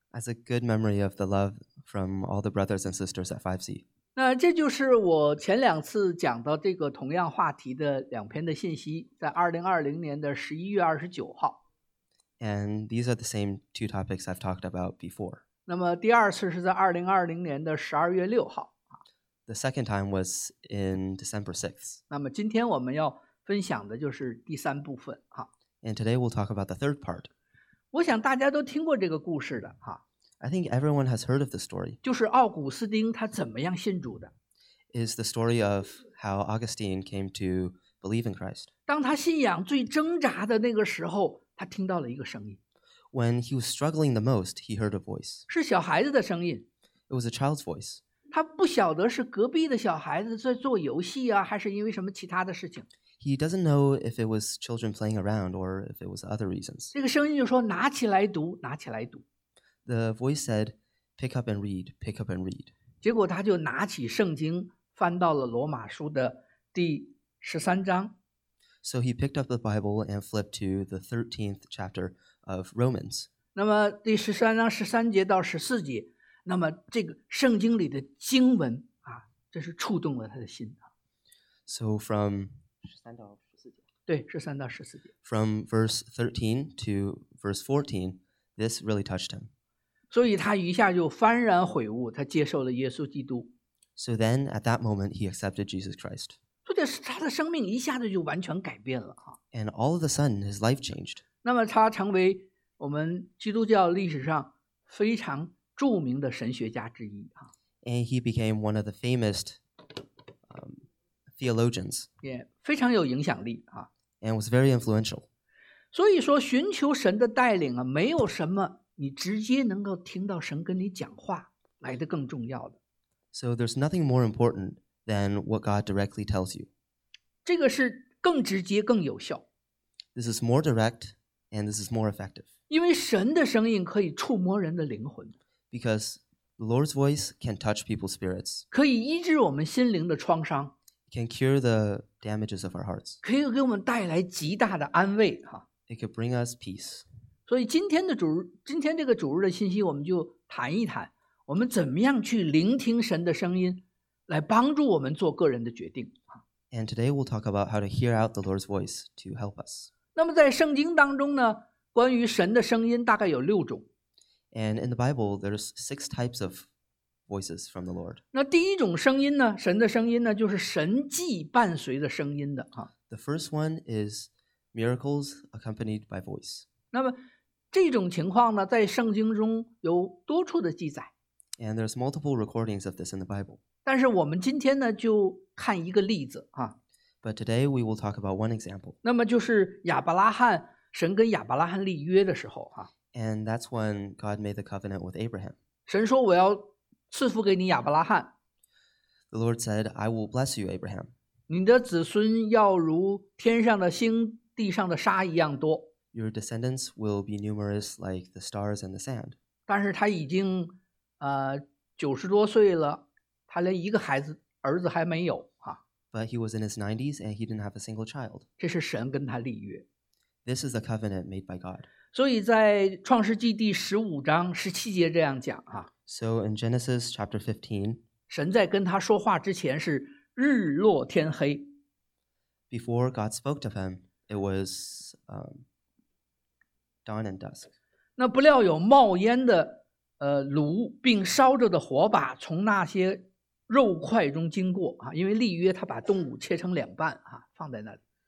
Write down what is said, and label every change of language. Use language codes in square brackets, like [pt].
[en] As a good memory of the love from all the brothers and sisters at 5C. [zh] 那这就是我前两次讲到这个同样话题的两篇的信息，在2020年的11月29号。 [en] And these are the same two topics I've talked about before. [zh] 那么第二次是在2020年的12月6号。 [en] The second time was in December 6th. [zh] 那么今天我们要分享的就是第三部分哈。 [en] And today we'll talk about the third part. [zh] 我想大家都听过这个故事的哈。 [en] I think everyone has heard of the story. [zh] 就是奥古斯丁他怎么样信主的。 [en] Is the story of how Augustine came to believe in Christ. [zh] 当他信仰最挣扎的那个时候，他听到了一个声音。 [en] When he was struggling the most, he heard a voice. [zh] 是小孩子的声音。 [en] It was a child's voice. [zh] 他不晓得是隔壁的小孩子在做游戏啊，还是因为什么其他的事情。 [en] He doesn't know if it was children playing around or if it was other reasons. [zh] 这个声音就说拿起来读，拿起来读。 [en] The voice said, pick up and read, pick up and read. [zh] 结果他就拿起圣经，翻到了罗马书的第13章。 [en] So he picked up the Bible and flipped to the 13th chapter of Romans. [zh] 那么第13章13节到14节。那么这个圣经里的经文啊，这是触动了他的心啊。 [en] So from [zh] 13到14节，对，13到14节。 [en] From verse 13 to verse 14, this really touched him. [zh] 所以他一下就幡然悔悟，他接受了耶稣基督。 [en] So then at that moment he accepted Jesus Christ. [zh] 所以他的生命一下子就完全改变了啊。 [en] And all of a sudden his life changed. [zh] 那么他成为我们基督教历史上非常著名的神学家之一啊。 [en] And he became one of the famous theologians. [zh] Yeah, 非常有影响力啊。 [en] And was very influential. [zh] 所以说寻求神的带领啊，没有什么你直接能够听到神跟你讲话来得更重要的。 [en] So there's nothing more important than what God directly tells you. [zh] 这个是更直接更有效。 [en] This is more direct and this is more effective. [zh] 因为神的声音可以触摸人的灵魂。 [en] Because the Lord's voice can touch people's spirits. [zh] 可以医治我们心灵的创伤。 [en] Can cure the damages of our hearts. [zh] 可以给我们带来极大的安慰哈。 [en] It could bring us peace. [zh] 所以今天这个主日的信息，我们就谈一谈，我们怎么样去聆听神的声音，来帮助我们做个人的决定。 [en] And today we'll talk about how to hear out the Lord's voice to help us. [zh] 那么在圣经当中呢，关于神的声音大概有六种。 [en] And in the Bible, there's 6 types of voices from the Lord. [zh] 那第一种声音呢，神的声音呢，就是神迹伴随着声音的啊。 [en] The first one is miracles accompanied by voice. [zh] 那么这种情况呢，在圣经中有多处的记载。 [en] And there's multiple recordings of this in the Bible. [zh] 但是我们今天呢就看一个例子啊。 [en] But today we will talk about one example. [zh] 那么就是亚伯拉罕神跟亚伯拉罕立约的时候啊。 [en] And that's when God made the covenant with Abraham. [zh] 神说我要赐福给你亚伯拉罕。 [en] The Lord said, I will bless you, Abraham. [zh] 你的子孙要如天上的星地上的沙一样多。 [en] Your descendants will be numerous like the stars and the sand. [zh] 但是他已经九十多岁了，他连一个孩子儿子还没有啊。 [en] But he was in his 90s and he didn't have a single child. [zh] 这是神跟他立约。 [en] This is a covenant made by God. [zh] 所以在创世纪第十五章十七节这样讲啊。 [en] So in Genesis chapter 15, [zh] 神在跟他说话之前是日落天黑。 [en] Before God spoke to him, it was dawn and dusk. [zh] 那不料有冒烟的炉并烧着的火把从那些肉块中经过啊，因为立约他把动物切成两半啊，放在那里。